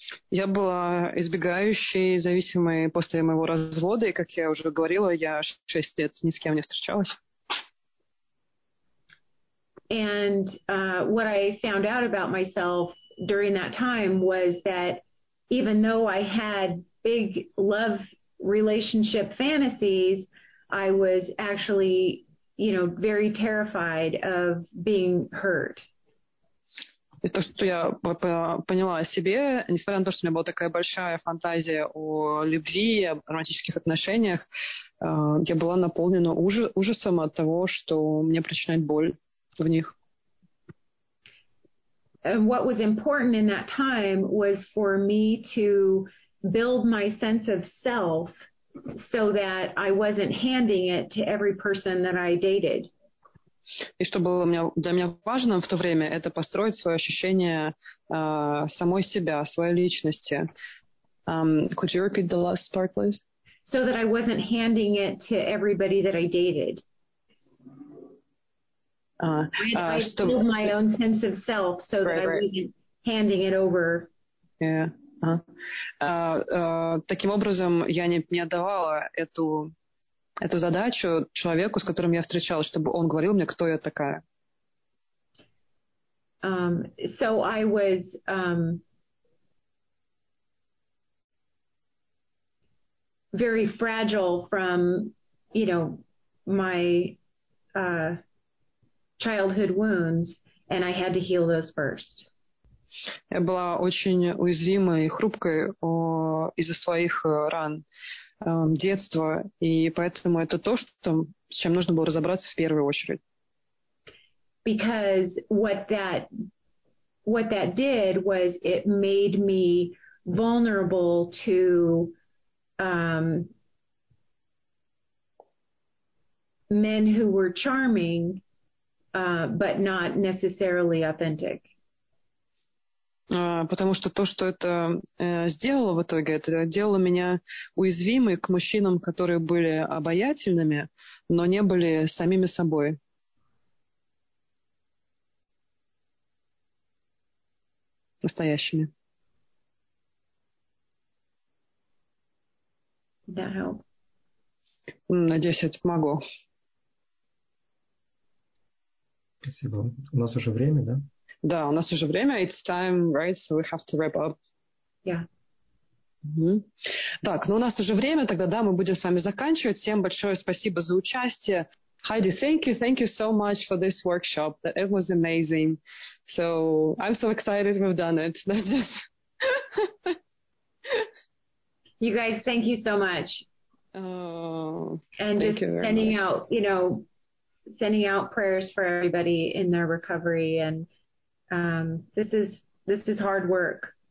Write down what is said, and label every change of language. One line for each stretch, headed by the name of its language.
Russian: Я была избегающей, зависимой после моего развода, и, как я уже говорила, я 6 лет ни с кем не встречалась.
English: And what I found out about myself during that time was that even though I had big love relationship fantasies, I was actually, very terrified of being hurt.
Russian: И то, что я поняла о себе, несмотря на то, что у меня была такая большая фантазия о любви, о романтических отношениях, я была наполнена ужасом от того, что мне причиняет боль в них.
English: And what was important in that time was for me to build my sense of self so that I wasn't handing it to every person that I dated.
Russian: И что было для меня важным в то время, это построить свое ощущение самой себя, своей личности.
English: Could you repeat the last part, please? So that I wasn't handing it to everybody that I dated. I build my own sense of self so that I wasn't handing it over. Yeah.
Russian: Таким образом, я не отдавала эту задачу человеку, с которым я встречалась, чтобы он говорил мне, кто я такая.
English: So I was very fragile from, my childhood wounds, and I had to heal those first.
Russian: Я была очень уязвимой и хрупкой из-за своих ран детства, и поэтому это то, с чем нужно было разобраться в первую очередь.
English: Because what that did was it made me vulnerable to men who were charming, but not necessarily authentic.
Russian: Потому что то, что это сделало в итоге, это делало меня уязвимой к мужчинам, которые были обаятельными, но не были самими собой. Настоящими.
English: That help?
Russian: Надеюсь, это помогло. Спасибо. У нас уже время, да? Да, у нас уже время,
English: it's time, right, so we have to wrap up. Yeah. Mm-hmm.
Russian: Так, у нас уже время, тогда, да, мы будем с вами заканчивать. Всем большое спасибо за участие.
English: Heidi, thank you so much for this workshop. That it was amazing. So, I'm so excited we've done it. That's just... You guys, thank you so much. And thank you very sending much. Out, sending out prayers for everybody in their recovery and this is hard work.